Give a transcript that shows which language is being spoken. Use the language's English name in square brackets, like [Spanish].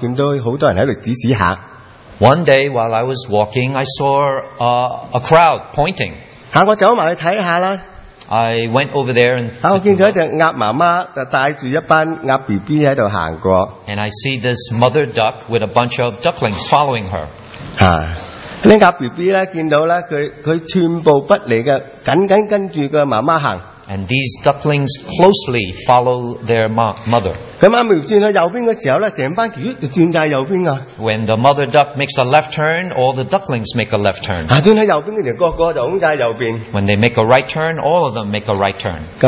[Chinese] 有一天在外面走一走的时候，看到很多人在指指一下。 [English] One day while I was walking, I saw a crowd pointing. [Chinese] 我走过去看一下。 [English] I went over there and [Chinese] 我见到一只鸭妈妈带住一班鸭BB在走过。 [English] And I see this mother duck with a bunch of ducklings following her. [Chinese] 鸭BB看到它寸步不离的紧紧跟着妈妈走。 [English] And these ducklings closely follow their mother. [Chinese] 妈妈转到右边的时候，整班鱼就转到右边。 [English] When the mother duck makes a left turn, all the ducklings make a left turn. [Chinese] 转到右边的时候，个个就拱在右边。 [English] When they make a right turn, all of them make a right turn.